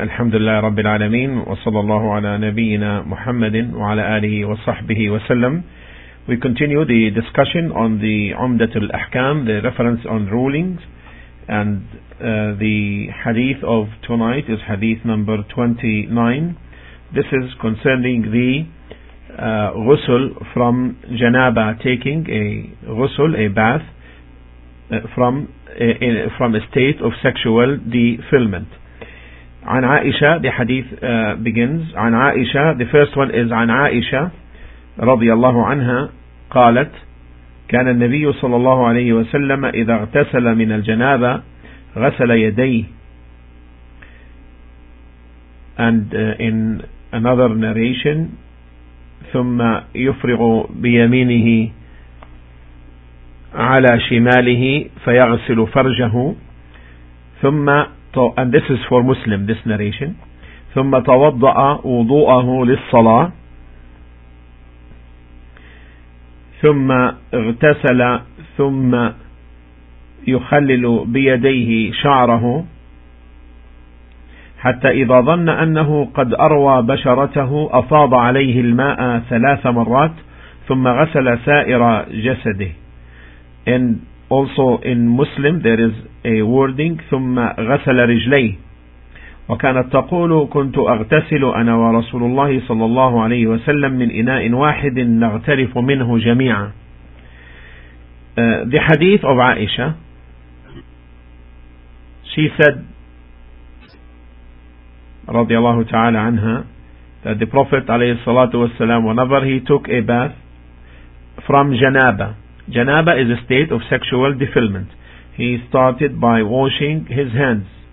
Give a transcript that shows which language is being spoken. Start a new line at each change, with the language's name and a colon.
Arabic: الحمد لله رب العالمين، وصلى الله على نبينا محمد وعلى آله وصحبه وسلم.
English: We continue the discussion on the عمدة الأحكام, the reference on rulings, and the hadith of tonight is hadith number 29. This is concerning the غسل from جنابة, taking a غسل, a bath, from a state of sexual defilement.
Arabic: عن عائشة,
English: the hadith begins.
Arabic: عن عائشة,
English: the first one is
Arabic: عن عائشة رضي الله عنها قالت كان النبي صلى الله عليه وسلم إذا اغتسل من الجنابة غسل يديه.
English: And in another narration,
Arabic: ثم يفرغ بيمينه على شماله فيغسل فرجه ثم
English: and this is for Muslim, this narration.
Arabic: ثم توضأ وضوءه للصلاة ثم اغتسل ثم يخلل بيديه شعره حتى إذا ظن أنه قد أروى بشرته أفاض عليه الماء ثلاث مرات ثم غسل سائر جسده.
English: And also in Muslim there is a wording
Arabic: ثم غسل رجلي وكانت تقول كنت أغتسل أنا ورسول الله صلى الله عليه وسلم من إناء واحد نغترف منه جميعا.
English: The hadith of Aisha, she said
Arabic: رضي الله تعالى عنها,
English: that the Prophet
Arabic: عليه الصلاة والسلام,
English: whenever he took a bath from Janaba. Janaba is a state of sexual defilement. He started by washing his hands.